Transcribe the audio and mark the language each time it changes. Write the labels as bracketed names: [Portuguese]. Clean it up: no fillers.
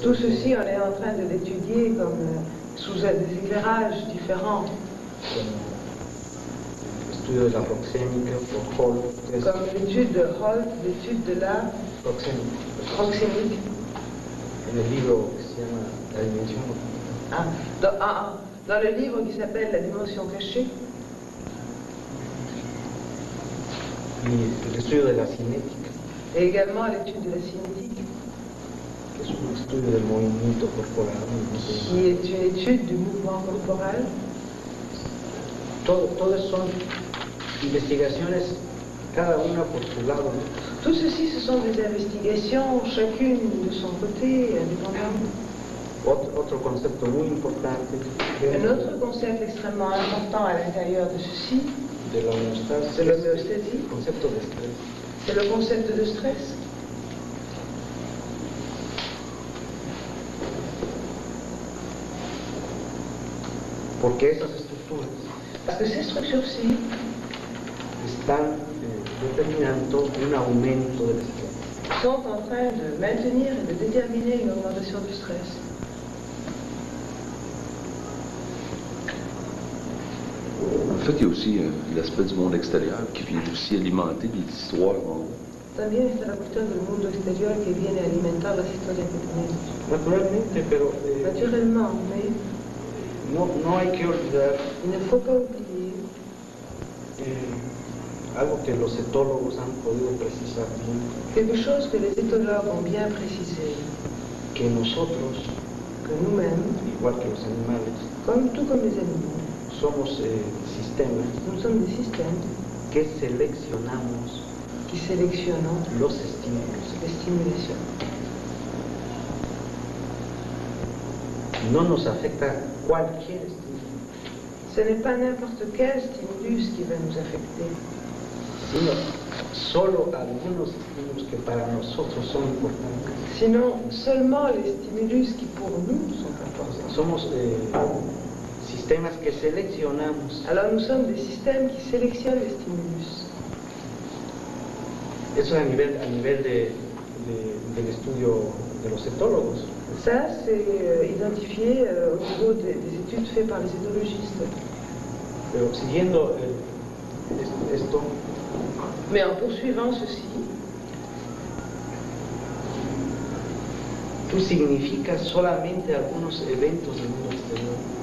[French] Tout ceci on est en train de l'étudier comme sous des éclairages différents. [Spanish] Estudio de la proxémica por Holt. [French] Comme l'étude de Holt, l'étude de la proxémica. [Spanish] En el libro que se llama La Dimensión. [French] Ah, dans le livre qui s'appelle La Dimension Cachée. [Spanish] Y el estudio de la cinética. [French] Et également l'étude de la cinética. [Spanish] Que es un estudio del movimiento corporal. [French] Qui est une étude du mouvement corporal. [Spanish] Todo son investigaciones, cada una por su lado. [French] Tout ceci, ce sont des investigations, chacune de son côté, indépendamment. [Spanish] Otro concepto muy importante. [French] Un autre concept extrêmement important à l'intérieur de ceci. De l'homéostasie. C'est l'homéostasie. [Spanish] Concepto de stress. [French] C'est le concept de stress. [Spanish] Porque esas estructuras. [French] Parce que ces structures-ci. [Spanish] Están determinando un aumento del estrés. [French] Sont en train de maintenir et de déterminer une augmentation du stress. En fait, il y a aussi l'aspect du monde extérieur qui vient aussi alimenter les histoires. [Spanish] También está la cuestión del mundo exterior que viene a alimentar las historias que tenemos. Naturalmente, pero. [French] Naturellement, mais. [Spanish] No hay que olvidar. [French] Il ne faut pas oublier. [Spanish] Algo que los etólogos han podido precisar bien. [French] Quelque chose que les éthologues ont bien précisé. [Spanish] Que nosotros, [French] que nous-mêmes, [Spanish] igual que los animales, [French] comme tout comme les animaux, [Spanish] somos sistemas. [French] Nous sommes des systèmes. [Spanish] Que seleccionamos. [French] Qui sélectionnons. [Spanish] Los estímulos. [French] Les stimulations. [Spanish] No nos afecta cualquier estímulo. [French] Ce n'est pas n'importe quel stimulus qui va nous affecter. [Spanish] Sino solo algunos estímulos que para nosotros son importantes. [French] Sino seulement les stimulus qui pour nous sont importants. [Spanish] Somos sistemas que seleccionamos. [French] Alors nous sommes des systèmes qui sélectionnent les stimulus. [Spanish] Eso a nivel del estudio de los etólogos. [French] Ça c'est identifié au niveau des études faites par les éthologistes. [Spanish] Pero siguiendo esto. [French] Mais en poursuivant ceci, [Spanish] tu significas solamente algunos eventos del mundo exterior.